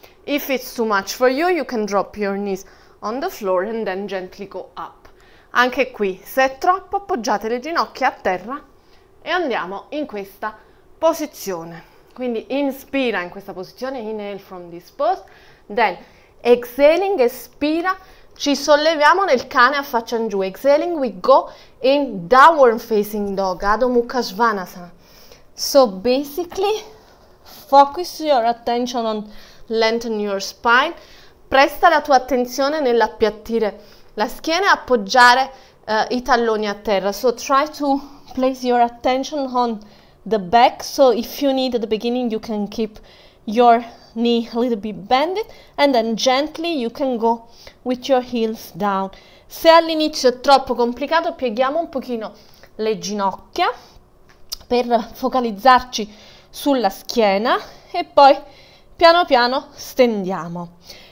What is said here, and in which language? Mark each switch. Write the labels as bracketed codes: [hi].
[en] If it's too much for you, you can drop your knees on the floor and then gently go up. [it] Anche qui, se è troppo, appoggiate le ginocchia a terra e andiamo in questa posizione. Quindi, inspira in questa posizione, [en] inhale from this pose, then exhaling, [it] espira, ci solleviamo nel cane a faccia in giù. [en] Exhaling, we go in downward facing dog, Adho Mukha Svanasana. So basically, focus your attention on lengthen your spine. [it] Presta la tua attenzione nell'appiattire la schiena e appoggiare i talloni a terra. [en] So try to place your attention on the back. So if you need at the beginning, you can keep your knee a little bit bended and then gently you can go with your heels down. [it] Se all'inizio è troppo complicato, pieghiamo un pochino le ginocchia per focalizzarci sulla schiena e poi piano piano stendiamo.